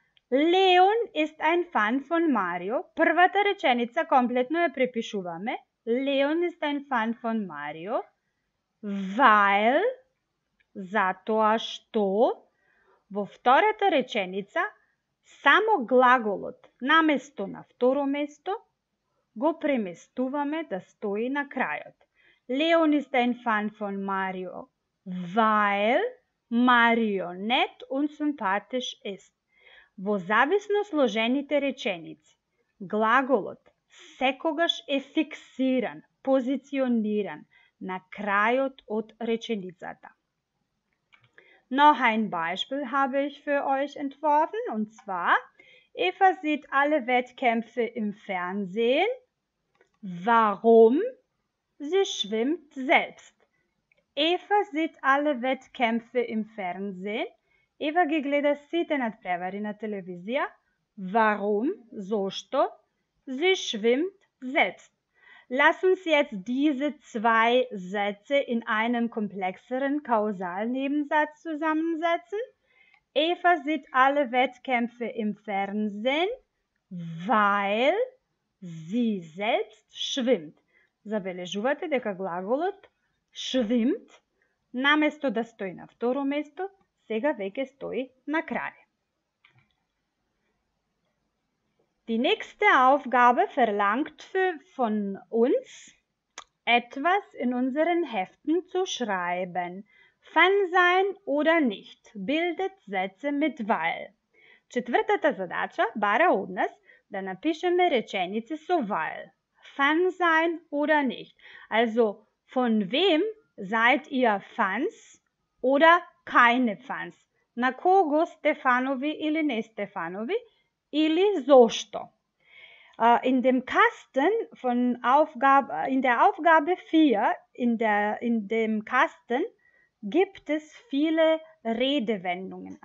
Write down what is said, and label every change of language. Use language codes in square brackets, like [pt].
[de] Леон е ein Fan von Mario. [mk] Првата реченица комплетно ја препишуваме. [de] Леон е ein Fan von Mario. [mk] Weil, затоа што, во втората реченица, само глаголот, наместо на второ место, го преместуваме да стои на крајот. [de] Леон е ein Fan von Mario. Weil Mario nett und sympathisch ist. [mk] Во зависно сложените реченици, глаголот секогаш е фиксиран, позициониран на крајот од реченицата. [de] Noch ein Beispiel habe ich für euch entworfen, und zwar: Eva sieht alle Wettkämpfe im Fernsehen. Warum? Sie schwimmt selbst. Eva sieht alle Wettkämpfe im Fernsehen. [mk] Eva ги гледа сите надпревари на телевизија. [de] Warum? Зошто? Sie schwimmt selbst. Lass uns jetzt diese zwei Sätze in einem komplexeren Kausalnebensatz zusammensetzen. Eva sieht alle Wettkämpfe im Fernsehen, weil sie selbst schwimmt. [mk] Забележувате дека глаголот schwimmt, наместо да стои на второ место, сега веќе стои на крај. [de] Die nächste Aufgabe verlangt von uns, etwas in unseren Heften zu schreiben. Fan sein oder nicht, bildet Sätze mit weil. [mk] Четвртата задача бара од нас да напишеме реченици со weil. [de] Fan sein oder nicht. Also, von wem seid ihr Fans oder keine Fans? [mk] Na kogo ste fanovi ili ne ste fanovi? Ili zošto? [de] In dem Kasten von Aufgabe, in der Aufgabe 4, in dem Kasten gibt es viele Redewendungen.